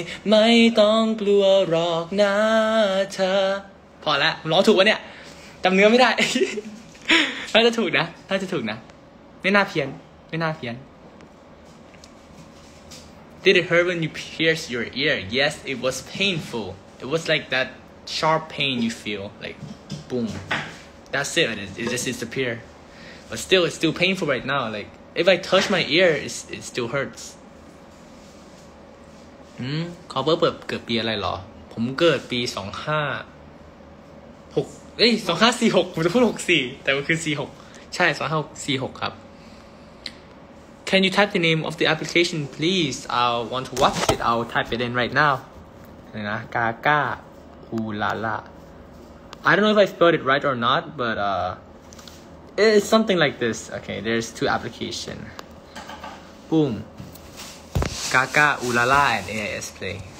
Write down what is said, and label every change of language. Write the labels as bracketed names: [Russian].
[Thai] ไม่ต้องกลัวหรอกนะเธอพอแล้วร้องถูกวะเนี่ยจำเนื้อไม่ได้น่าจะถูกนะน่าจะถูกนะไม่น่าเพี้ยนไม่น่าเพี้ยน [English] Did it hurt when you pierced your ear? Yes, it was painful. It was like that sharp pain you feel, like boom. That's it. It just disappeared. But still, it's still painful right now. Like if I touch my ear, it still hurts. [Thai] อืมคอเบอร์เปิดเกิดปีอะไรหรอผมเกิดปี2546เอ้ย2546ผมจะพูด64แต่มันคือ46ใช่2546ครับ [English] Can you type the name of the application please I want to watch it I'll type it in right now นะกาก้าฮูลาล่า I don't know if I spelled it right or not but it's something like this okay there's two application boom กาก้าอูลาล่า and AIS play